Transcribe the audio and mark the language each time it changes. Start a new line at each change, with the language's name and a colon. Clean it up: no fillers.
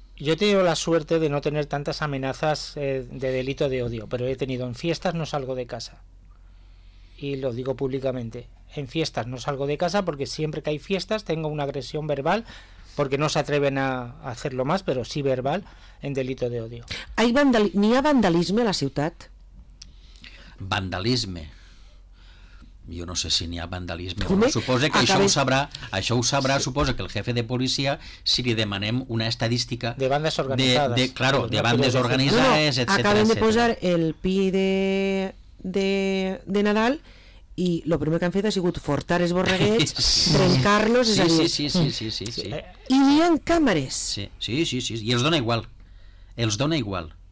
Spanish: Yo he tenido la suerte de no tener tantas amenazas de delito de odio, pero he tenido en fiestas no salgo de casa. Y lo digo públicamente. En fiestas no salgo de casa porque siempre que hay fiestas tengo una agresión verbal, porque no se atreven a hacerlo más, pero sí verbal, en delito de odio. ¿Hay ni hay vandalismo en la ciudad? Vandalismo.
Catalan: Jo no sé si n'hi ha vandalisme, però suposa que això ho sabrà, sí. Suposa que el jefe de policia, si li demanem una estadística de bandes organitzades, de claro, de bandes organitzades, etc. Acabem de posar el pi de Nadal i lo primer que han fet ha sigut fortar els borreguets, trencar-los, és a dir. Sí. I hi han càmeres. Sí. I els dona igual. Els dona igual.